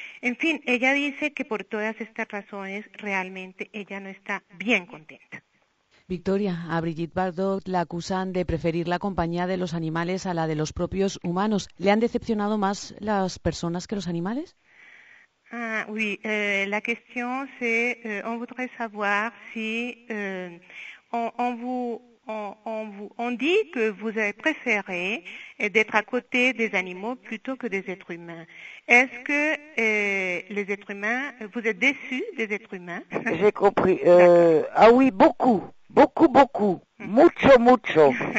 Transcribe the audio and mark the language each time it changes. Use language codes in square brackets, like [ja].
[es] En fin, ella dice que por todas estas razones realmente ella no está bien contenta. Victoria, a Brigitte Bardot la acusan de preferir la compañía de los animales a la de los propios humanos. ¿Le han decepcionado más las personas que los animales? [fr] Ah, oui, la question c'est, on voudrait savoir si on dit que vous avez préféré d'être à côté des animaux plutôt que des êtres humains. Est-ce que les êtres humains, vous êtes déçus des êtres humains? J'ai compris. D'accord. Ah oui, beaucoup. Beaucoup, beaucoup, [es] mucho, mucho.